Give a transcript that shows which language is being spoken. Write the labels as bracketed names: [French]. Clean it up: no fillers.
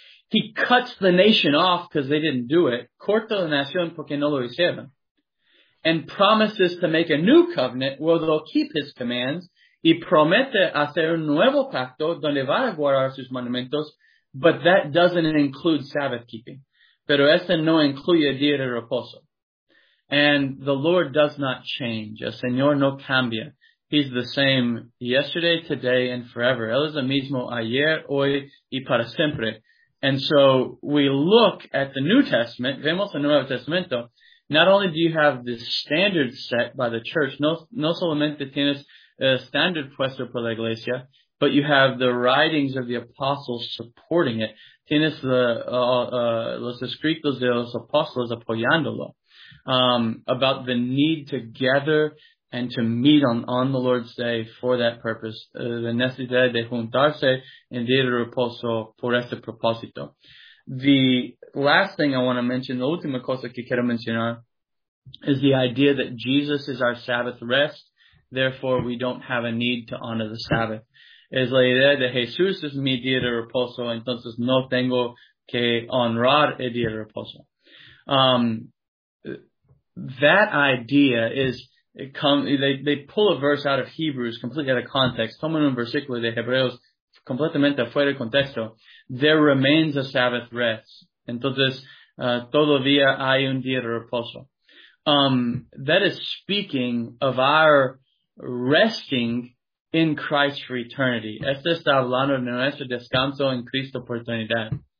[English] He cuts the nation off because they didn't do it. [Spanish] Corta la nación porque no lo hicieron. [English] And promises to make a new covenant where they'll keep his commands. [Spanish] Y promete hacer un nuevo pacto donde va a guardar sus mandamientos. [English] But that doesn't include Sabbath keeping. [Spanish] Pero este no incluye día de reposo. [English] And the Lord does not change. [Spanish] El Señor no cambia. [English] He's the same yesterday, today, and forever. [Spanish] Él es el mismo ayer, hoy, y para siempre. [English] And so we look at the New Testament. [Spanish] Vemos el Nuevo Testamento. [English] Not only do you have the standard set by the church, [Spanish] no solamente tienes el standard puesto por la iglesia, [English] but you have the writings of the apostles supporting it. [Spanish] Tienes los escritos de los apóstoles apoyándolo. [English] About the need to gather and to meet on the Lord's Day for that purpose. [Spanish] The necesidad de juntarse en día de reposo por este propósito. [English] The last thing I want to mention, [Spanish] la última cosa que quiero mencionar, [English] is the idea that Jesus is our Sabbath rest, therefore we don't have a need to honor the Sabbath. [Spanish] Es la idea de Jesús es mi día de reposo, entonces no tengo que honrar el día de reposo. [English] That idea is, they pull a verse out of Hebrews completely out of context. [Spanish] Toman un versículo de Hebreos completamente fuera de contexto. [English] There remains a Sabbath rest. [Spanish] Entonces, todavía hay un día de reposo. [English] That is speaking of our resting in Christ for eternity. [Spanish] Esto está hablando de nuestro descanso en Cristo por eternidad.